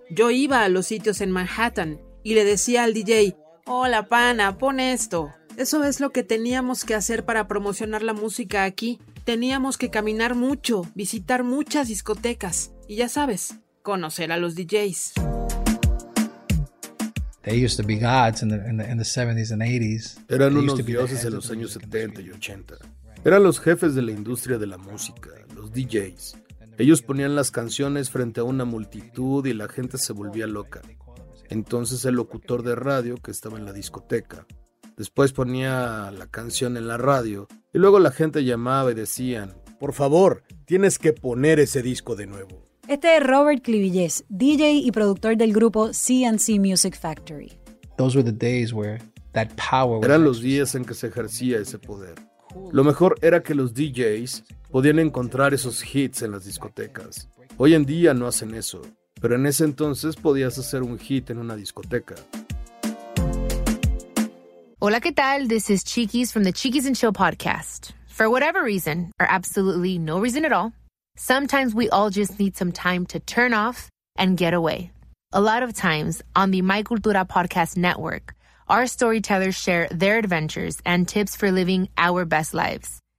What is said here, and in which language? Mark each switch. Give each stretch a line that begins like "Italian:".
Spanish: Yo iba a los sitios en Manhattan y le decía al DJ, «Hola, pana, pon esto». Eso es lo que teníamos que hacer para promocionar la música aquí. Teníamos que caminar mucho, visitar muchas discotecas y, ya sabes, conocer a los DJs.
English: They used to be gods in the 70s and 80s.
Spanish: Eran unos dioses en los años 70 y 80. Eran los jefes de la industria de la música, los DJs. Ellos ponían las canciones frente a una multitud y la gente se volvía loca. Entonces el locutor de radio que estaba en la discoteca, después ponía la canción en la radio y luego la gente llamaba y decían, por favor, tienes que poner ese disco de nuevo. Este es Robert Clivillés, DJ y productor del grupo C&C Music Factory.
English: Those were the days where that power was.
Spanish: Eran los días en que se ejercía ese poder. Lo mejor era que los DJs podían encontrar esos hits en las discotecas. Hoy en día no hacen eso, pero en ese entonces podías hacer un hit en una discoteca. Hola, ¿qué tal?
English: This is Cheekies from the Cheekies and Chill podcast. For whatever reason, or absolutely no reason at all, sometimes we all just need some time to turn off and get away. A lot of times, on the My Cultura podcast network, our storytellers share their adventures and tips for living our best lives.